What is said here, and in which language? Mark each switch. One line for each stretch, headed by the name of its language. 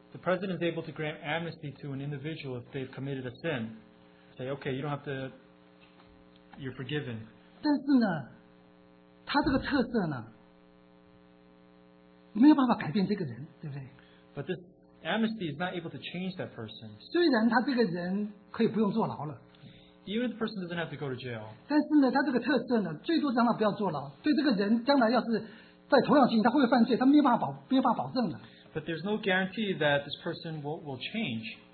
English: the president is able to grant amnesty to an individual if they've committed a sin. Say, okay, you don't have to. You're forgiven.
Chinese: 但是呢，他这个特色呢，没有办法改变这个人，对不对？
English: But this amnesty is not able to change that person.
Chinese: 虽然他这个人可以不用坐牢了。
English: Even if the person doesn't have to go to jail.
Chinese: 但是呢，他这个特色呢，最多让他不要坐牢。对这个人将来要是在同样情况下，他会犯罪，他没有办法保，没有办法保证的。
English: But there's no guarantee that this person will change.